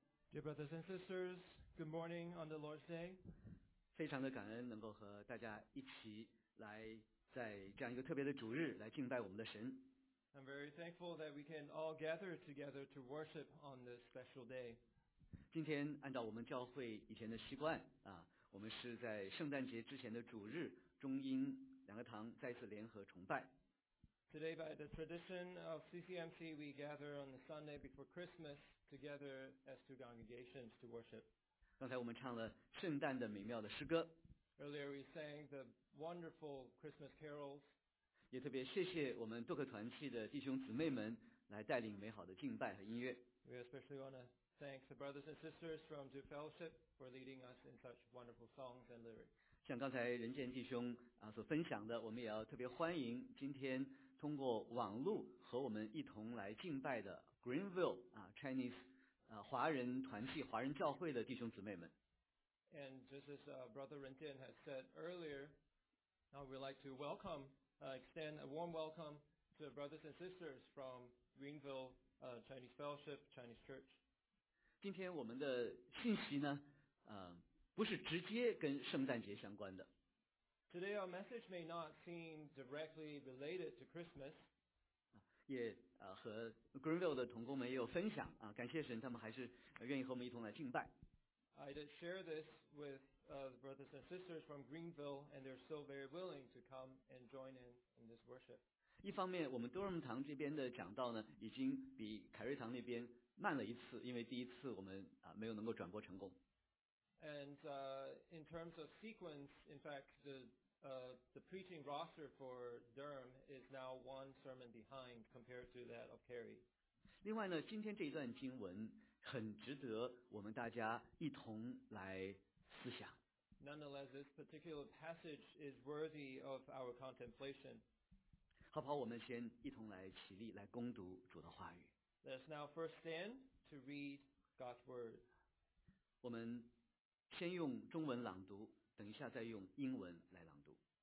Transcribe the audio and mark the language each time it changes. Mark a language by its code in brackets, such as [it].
[en] Dear brothers and sisters, good morning on the Lord's Day. [zh] 非常的感恩能够和大家一起来在这样一个特别的主日来敬拜我们的神。 [en] I'm very thankful that we can all gather together to worship on this special day. [zh] 今天按照我们教会以前的习惯啊，我们是在圣诞节之前的主日，中英两个堂再次联合崇拜。 [en] Today, by the tradition of CCMC, we gather on the Sunday before Christmas together as two congregations to worship. [zh] 刚才我们唱了圣诞的美妙的诗歌。 [en] Earlier, we sang the wonderful Christmas carols. [zh] 也特别谢谢我们杜克团契的弟兄姊妹们来带领美好的敬拜和音乐。 [en] We especially want to thank the brothers and sisters from Duke Fellowship for leading us in such wonderful songs and lyrics. [zh] 像刚才任健弟兄啊所分享的，我们也要特别欢迎今天通过网路和我们一同来敬拜的 Greenville 啊 Chinese 啊华人团契、华人教会的弟兄姊妹们。 [en] And just as Brother Ren Jian has said earlier, now we'd like to welcome, extend a warm welcome to brothers and sisters from Greenville, Chinese Fellowship, Chinese Church. [zh] 今天我们的信息呢，不是直接跟圣诞节相关的。 [en] Today our message may not seem directly related to Christmas. [zh] 也和 Greenville 的同工们也有分享啊，感谢神，他们还是愿意和我们一同来敬拜。 [en] I did share this with the brothers and sisters from Greenville, and they're so very willing to come and join in this worship. [zh] 一方面，我们多伦堂这边的讲道呢，已经比凯瑞堂那边慢了一次，因为第一次我们没有能够转播成功。 [en] And in terms of sequence, in fact, the preaching roster for Durham is now one sermon behind compared to that of Kerry. [zh] 另外呢，今天这一段经文很值得我们大家一同来思想。 [en] Nonetheless, this particular passage is worthy of our contemplation. [zh] 好不好？我们先一同来起立，来恭读主的话语。 [en] Let's now first stand to read God's word. [zh] 我们先用中文朗读，等一下再用英文来朗读。